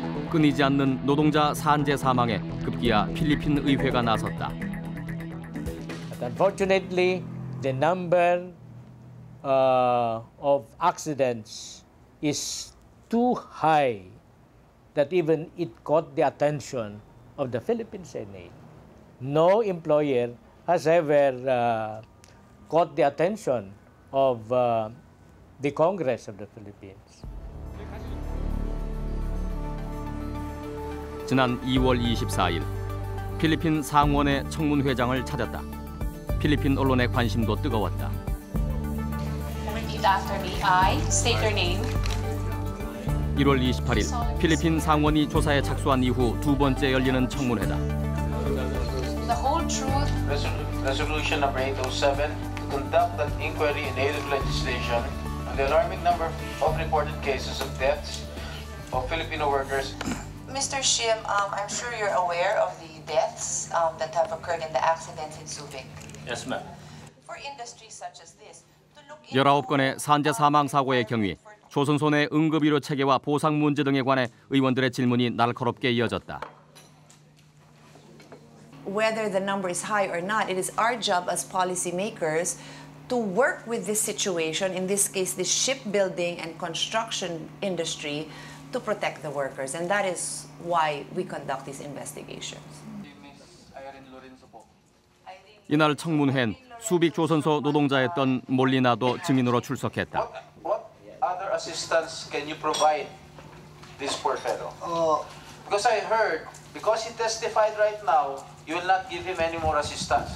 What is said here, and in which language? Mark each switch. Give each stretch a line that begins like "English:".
Korean: 끊이지 않는 노동자 산재 사망에 급기야 필리핀 의회가 나섰다.
English: Unfortunately, the number of accidents is too high that even it got the attention of the Philippine Senate. No employer has ever got the attention of the Congress of the Philippines.
Korean: 지난 2월 24일 필리핀 상원의 청문회장을 찾았다. 필리핀 언론의 관심도 뜨거웠다.
English: Repeat after me. I state your name.
Korean: 1월 28일 필리핀 상원이 조사에 착수한 이후 두 번째 열리는 청문회다.
English: The whole truth. Resolution number 807 to conduct an inquiry in aid of legislation on the alarming number of reported cases of deaths of Filipino workers. Mr. Shim, I'm sure you're aware of the deaths that have occurred in the accidents in Subic. Yes, ma'am. For industries such as this, to look into
Korean: 19건의 산재 사망 사고의 경위, 조선소 내 응급의료 체계와 보상 문제 등에 관해 의원들의 질문이 날카롭게 이어졌다.
English: Whether the number is high or not, it is our job as policymakers to work with this situation, in this case, the shipbuilding and construction industry, to protect the workers. And that is why we conduct these investigations.
Korean: 이날 청문회엔 수빅 조선소 노동자였던 몰리나도 증인으로 출석했다.
English: Other assistance can you provide this poor fellow? Because I heard, because he testified right now, you will not give him any more assistance.